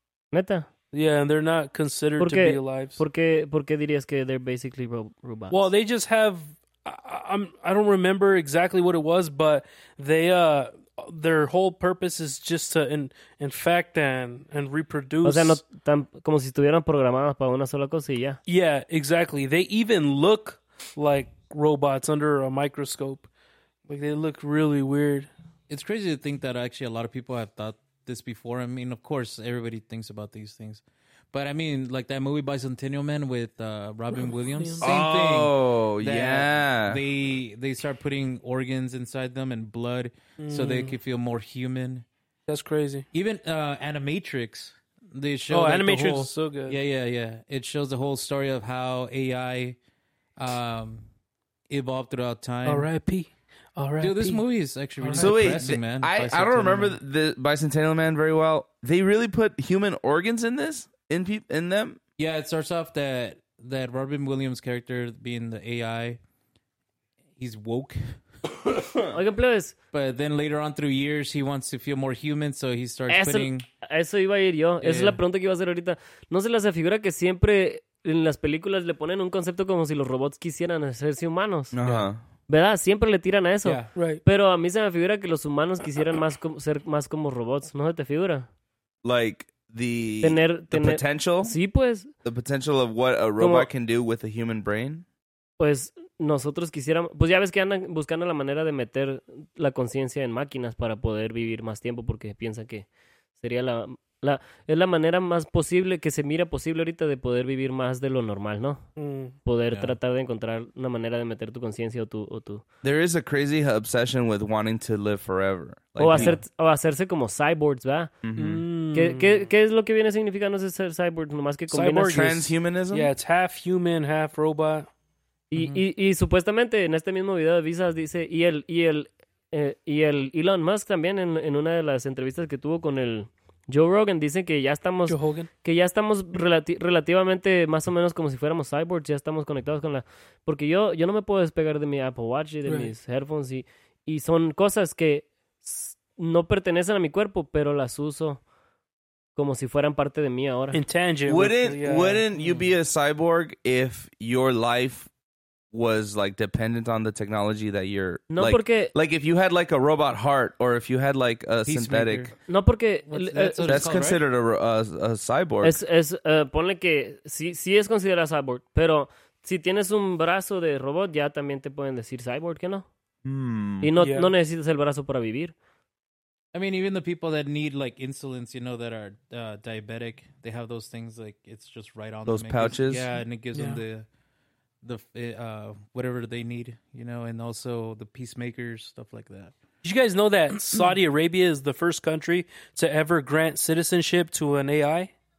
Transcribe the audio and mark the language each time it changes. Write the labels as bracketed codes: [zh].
[en] Meta. Yeah, and they're not considered to be alive. [es] ¿Por qué dirías que [en] they're basically robots? Well, they just have, I don't remember exactly what it was, but they their whole purpose is just to infect and reproduce. [es] O sea, no tan como si estuvieran programadas para una sola cosa y ya. [en] Yeah, exactly. They even look like robots under a microscope. Like, they look really weird. It's crazy to think that actually a lot of people have thought this before. I mean, of course, everybody thinks about these things. But I mean, like that movie Bicentennial Man with Robin Williams. Same thing. Oh, yeah. They start putting organs inside them and blood so they can feel more human. That's crazy. Even Animatrix. They show Animatrix the whole, is so good. Yeah, yeah, yeah. It shows the whole story of how AI evolved throughout time. R.I.P. All right. Dude, this movie is actually really depressing, man. I don't remember the Bicentennial Man very well. They really put human organs in this? In them? Yeah, it starts off that Robin Williams character being the AI. He's woke. But then later on through years, he wants to feel more human, so he starts putting... [es] Eso iba a ir yo. Yeah. Esa es la pregunta que iba a hacer ahorita. ¿No se les figura que siempre en las películas le ponen un concepto como si los robots quisieran hacerse humanos? Ajá. Uh-huh. ¿Verdad? Siempre le tiran a eso. [en] Yeah, right. [es] Pero a mí se me figura que los humanos quisieran más ser más como robots. ¿No se te figura? [en] Like the potential? [es] Sí, pues. [en] The potential of what a robot can do with a human brain? [es] Pues nosotros quisiéramos... Pues ya ves que andan buscando la manera de meter la conciencia en máquinas para poder vivir más tiempo porque piensan que sería la es la manera más posible, que se mira posible ahorita de poder vivir más de lo normal, ¿no? Poder tratar de encontrar una manera de meter tu conciencia o tu... [en] There is a crazy obsession with wanting to live forever. [es] Like o hacerse como cyborgs, ¿verdad? Mm-hmm. ¿Qué es lo que viene significando ser cyborgs? Nomás que [en] cyborg transhumanism? Yeah, it's half human, half robot. [es] Y supuestamente en este mismo video de Visas dice... Y el Elon Musk también en una de las entrevistas que tuvo con el... Joe Rogan dice que ya estamos relativamente más o menos como si fuéramos cyborgs, ya estamos conectados con la... Porque yo no me puedo despegar de mi Apple Watch y de mis headphones y son cosas que no pertenecen a mi cuerpo, pero las uso como si fueran parte de mí ahora. [en] Intangible. Wouldn't you be a cyborg if your life was like dependent on the technology that you're [es] no [en] like, [es] porque [en] like if you had like a robot heart or if you had like a synthetic [es] no porque [en] that's considered right? a cyborg [es] es ponle que sí es considerado cyborg, pero si tienes un brazo de robot ya también te pueden decir cyborg, que no y no no necesitas el brazo para vivir. [en] I mean, even the people that need like insulins, you know, that are diabetic, they have those things, like it's just right on those pouches. And it gives them the whatever they need, you know, and also the peacemakers, stuff like that. Did you guys know that Saudi Arabia is the first country to ever grant citizenship to an AI?